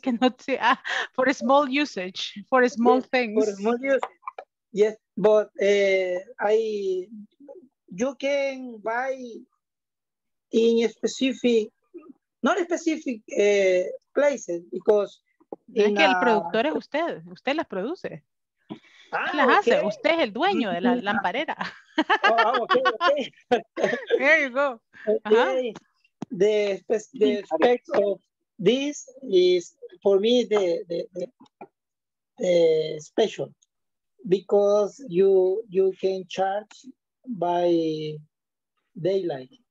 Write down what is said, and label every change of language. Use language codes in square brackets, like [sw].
[en] I cannot say, for a small usage, for a small things. For a small usage, yes. But you can buy in a specific, not a specific places, because... [es] Es que el productor es usted, usted las produce. Hace, usted es el dueño de la lamparera. [en] Oh, okay. There you go. The aspect of this is for me the special because you can charge by daylight